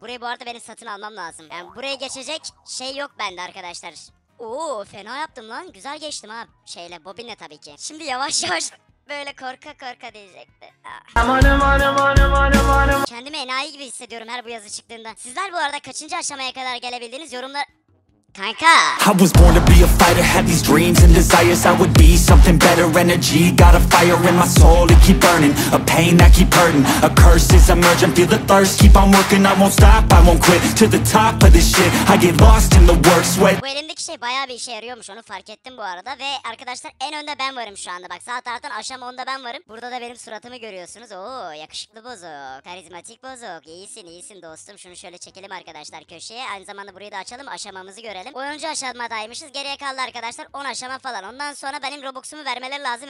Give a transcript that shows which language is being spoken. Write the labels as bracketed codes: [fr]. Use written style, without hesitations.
[tr] Burayı bu arada benim satın almam lazım. Yani buraya geçecek şey yok bende arkadaşlar. Oo, fena yaptım lan. Güzel geçtim ha. Şeyle, bobinle tabii ki. Şimdi yavaş yavaş böyle korka korka diyecekti. Kendimi enayi gibi hissediyorum her bu yazı çıktığında. Sizler bu arada kaçıncı aşamaya kadar gelebildiniz? Yorumlar... Kanka. [en] I was born to be a fighter, had these dreams and desires. I would be something better, energy got a fire in my soul, it keep burning, a pain that keep hurting, a curse is emerging, feel the thirst, keep on working, I won't stop, I won't quit, to the top of this shit, I get lost in the work, sweat. [tr] Bu elimdeki şey bayağı bir işe yarıyormuş, onu fark ettim bu arada. Ve arkadaşlar en önde ben varım şu anda, bak sağ taraftan aşama onda ben varım. Burada da benim suratımı görüyorsunuz. Oo, yakışıklı Bozok, karizmatik Bozok, iyisin iyisin dostum. Şunu şöyle çekelim arkadaşlar köşeye, aynı zamanda burayı da açalım, aşamamızı görelim. Oyuncu aşamadaymışız. Geriye kaldı arkadaşlar 10 aşama falan. Ondan sonra benim Robux'umu vermeleri lazım.